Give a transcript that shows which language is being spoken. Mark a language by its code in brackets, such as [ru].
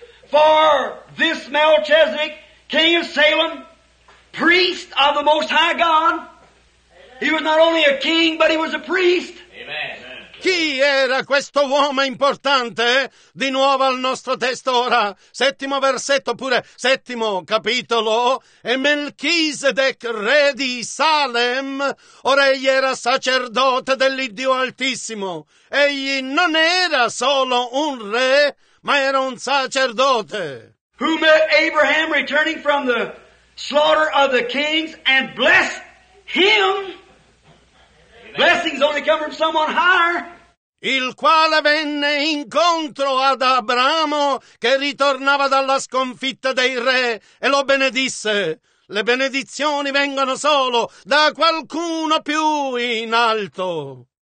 [en] For this Melchizedek, king of Salem, priest of the Most High God, Amen. He was not only a king, but he was a priest. Amen. [it] Chi era questo uomo importante? Di nuovo al nostro testo ora, settimo versetto, pure settimo capitolo. E Melchisedec, re di Salem, ora egli era sacerdote dell'Iddio Altissimo. Egli non era solo un re, ma era un sacerdote. [en] Who met Abraham returning from the slaughter of the kings and blessed him. Blessings only come from someone higher. [it] Il quale venne incontro ad Abramo che ritornava dalla sconfitta dei re e lo benedisse. Le benedizioni vengono solo da qualcuno più in alto.